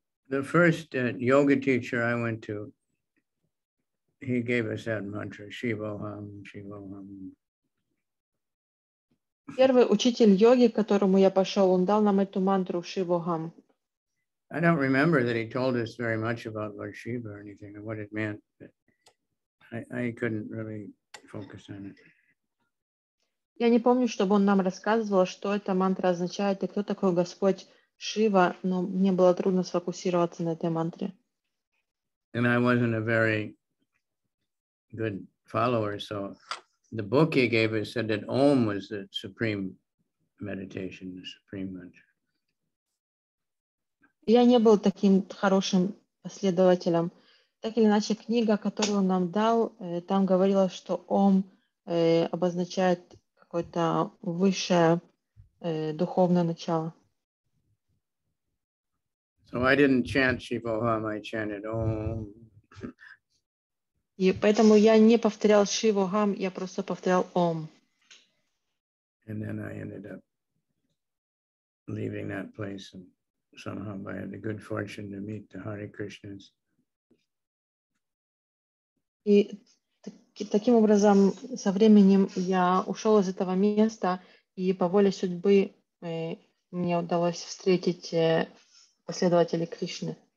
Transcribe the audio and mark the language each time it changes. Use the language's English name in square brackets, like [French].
[English] The first yoga teacher I went to, he gave us that mantra, Shivoham, Shivoham. [Russian] Первый учитель йоги, к которому я пошел, он дал нам эту мантру Шивогам. [English] I don't remember that he told us very much about Lord Shiva or anything or what it meant, but I couldn't really focus on it. [Russian] Я не помню, чтобы он нам рассказывал, что эта мантра означает и кто такой Господь Шива, но мне было трудно сфокусироваться на этой мантре. [English] And I wasn't a very good follower, so the book he gave us said that Om was the supreme meditation, the supreme mantra. [Russian] Я не был таким хорошим последователем. Так или иначе, книга, которую он нам дал, там говорилось, что Ом обозначает какое-то высшее духовное начало. [English] So I didn't chant Shivoham, I chanted Om. [Russian] И поэтому я не повторял Шивогам, я просто повторял Ом. [English] And then I ended up leaving that place and somehow I had the good fortune to meet the Hare Krishnas. [Russian] И таким образом со временем я ушел из этого места и по воле судьбы мне удалось встретить последователей Кришны.